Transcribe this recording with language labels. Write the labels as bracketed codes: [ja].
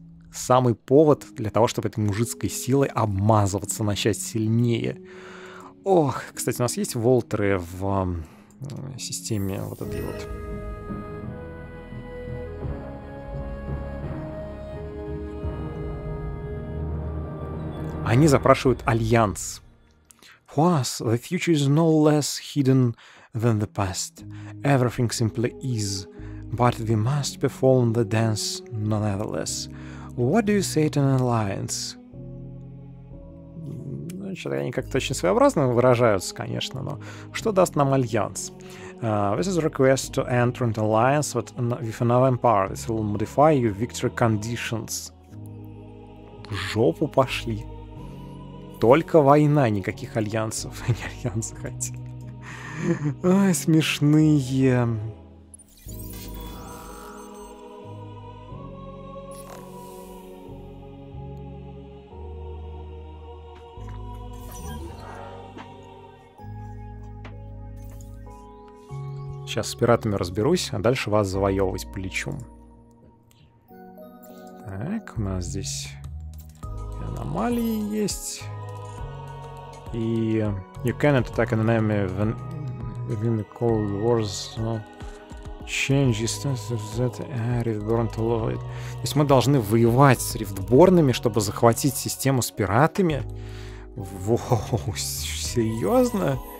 [ru] Самый повод для того, чтобы этой мужицкой силой обмазываться, начать сильнее. Ох, кстати, у нас есть Валтеры в системе вот этой вот. Они запрашивают альянс. [en] For us, the future is no less hidden than the past. Everything simply is. But we must perform the dance nonetheless. What do you say to an alliance? [ru] Ну, что-то они как-то очень своеобразно выражаются, конечно, но что даст нам альянс? [en] This is a request to enter an alliance with another empire. This will modify your victory conditions. [ru] В жопу пошли. Только война, никаких альянсов. Они альянсы хотели. Ой, смешные. Сейчас с пиратами разберусь, а дальше вас завоевывать полечу. Так, у нас здесь аномалии есть. И [en] you cannot attack an enemy within the Cold War zone. Change distance to that Riftborn to love it. [ru] То есть мы должны воевать с рифтборнами, чтобы захватить систему с пиратами. Воу, серьезно?